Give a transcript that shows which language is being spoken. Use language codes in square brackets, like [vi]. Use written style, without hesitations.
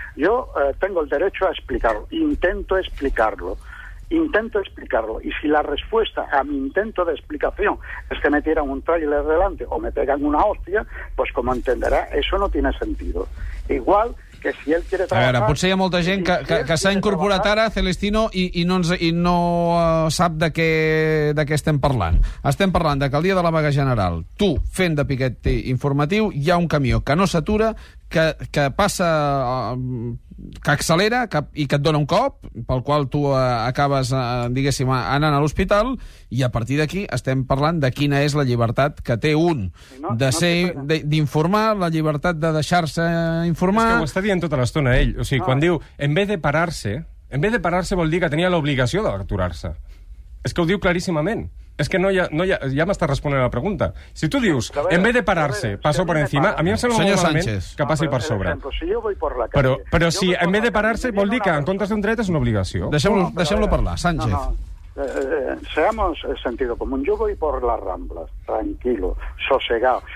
[es] Jo tengo el derecho a explicarlo. Intento explicarlo. Intento explicarlo. Y si la respuesta a mi intento de explicación es que me tiran un tráiler delante o me pegan una hostia, pues como entenderá, eso no tiene sentido. Igual que si él quiere trabajar... [ca] A veure, potser hi ha molta gent que s'ha incorporat ara, Celestino, i no sap de què estem parlant. Estem parlant de que el dia de la vaga general, tu, fent de piquet informatiu, hi ha un camió que no s'atura, que passa... que accelera i que et dona un cop, pel qual tu acabes, diguéssim, anant a l'hospital, i a partir d'aquí estem parlant de quina és la llibertat que té un d'informar, la llibertat de deixar-se informar... És que ho està dient tota l'estona ell. O sigui, quan diu, en vez de parar-se vol dir que tenia l'obligació d'aturar-se. És que ho diu claríssimament. És que ja m'està responent a la pregunta. Si tu dius, [es] en vez de pararse, paso por encima, [ca] a mi em sembla molt malament que passi per sobre. Però si [es] en vez de pararse, [ca] vol dir que en comptes d'un dret és una obligació. Deixem-lo parlar, Sánchez. [es] Seamos sentido común. Yo voy por las Ramblas, tranquilo, sosegado.